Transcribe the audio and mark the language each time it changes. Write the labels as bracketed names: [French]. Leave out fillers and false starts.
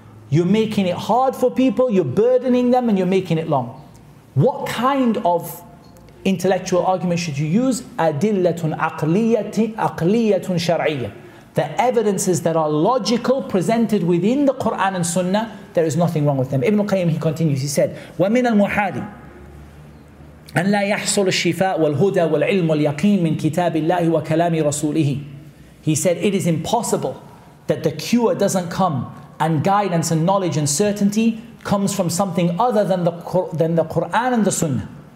[English] You're making it hard for people, you're burdening them, and you're making it long. What kind of intellectual argument should you use? [Arabic] Adillatun aqliyatun shar'iyyah. [English] The evidences that are logical presented within the Quran and Sunnah, there is nothing wrong with them. Ibn Qayyim, he continues, he said, [Arabic] ومن المحالي أن لا يحصل الشفاء والهدى والعلم واليقين من كتاب الله وكلام رسوله. [English] He said, it is impossible that the cure doesn't come and guidance and knowledge and certainty comes from something other than the Quran and the Sunnah.